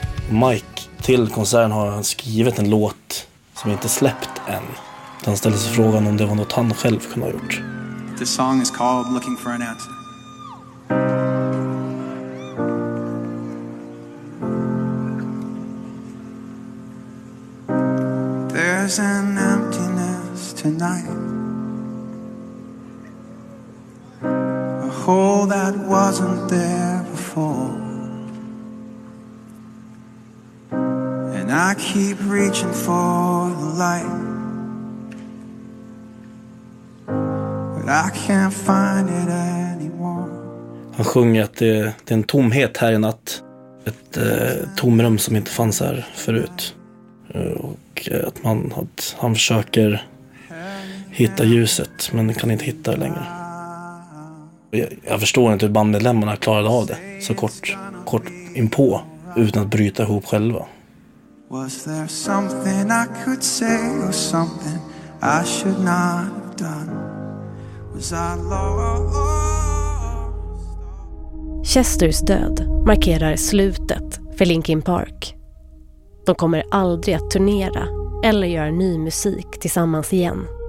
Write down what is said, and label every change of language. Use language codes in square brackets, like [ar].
[sv] Mike till konserten har han skrivit en låt som inte släppt än. Han ställde sig frågan om det var något han själv kunde ha gjort. [en] The song is called Looking for an Answer. There's an emptiness tonight. A hole that wasn't there before. And I keep reaching for the light, but I can't find it anymore. [sv] Han sjunger att det är en tomhet här i natt. Ett tomrum som inte fanns här förut. Och att han försöker hitta ljuset, men kan inte hitta det längre. Jag förstår inte hur bandmedlemmarna klarade av det så kort inpå, utan att bryta ihop själva. [en] Was there something I could say or something I should not have done? Was I lost? [sv] Chesters död markerar slutet för Linkin Park. De kommer aldrig att turnera eller göra ny musik tillsammans igen.